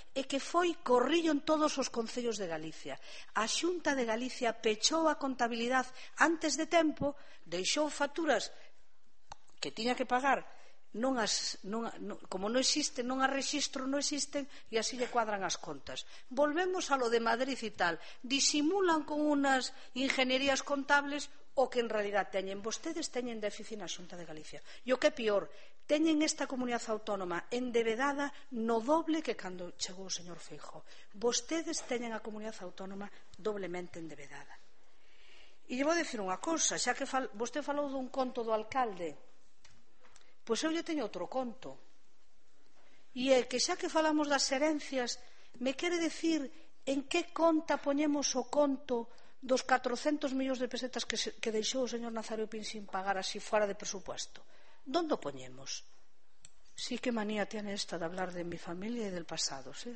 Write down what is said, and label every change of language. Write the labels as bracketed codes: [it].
[gl] E que foi corrillo en todos os concellos de Galicia. A Xunta de Galicia pechou a contabilidade antes de tempo, deixou facturas que tiña que pagar, como non existen, non as registro, non existen, e así lle cuadran as contas. [es] Volvemos a lo de Madrid e tal, disimulan con unas ingenierías contables [gl] o que en realidad teñen. Vostedes teñen déficit na Xunta de Galicia, e o que é peor, teñen esta comunidade autónoma endebedada no doble que cando chegou o señor Feijóo. Vostedes teñen a comunidade autónoma doblemente endebedada. E lle vou dicir unha cosa, xa que vostede falou dun conto do alcalde, pois eu lle teño outro conto. E é que xa que falamos das herencias, me quere dicir en que conta poñemos o conto dos 400 millóns de pesetas que deixou o señor Nazario Pin sin pagar así fuera de presupuesto? ¿Dónde o poñemos? [es] Sí, que manía tiene esta de hablar de mi familia e del pasado, ¿sí?